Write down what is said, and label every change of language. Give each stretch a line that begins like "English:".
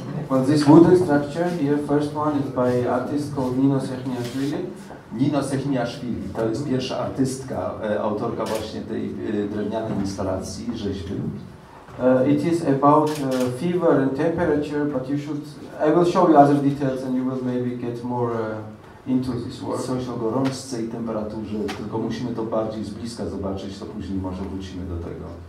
English: Well, this wooden structure here, first one is by artist called Nino Sechniashvili.
Polish: Nino Sechniashvili, to jest pierwsza artystka, autorka właśnie tej drewnianej instalacji, rzeźby.
English: It is about fever and temperature, but you should. I will show you other details and you will maybe get more into this work.
Polish: Coś o gorączce i temperaturze, tylko musimy to bardziej z bliska zobaczyć, to później może wrócimy do tego.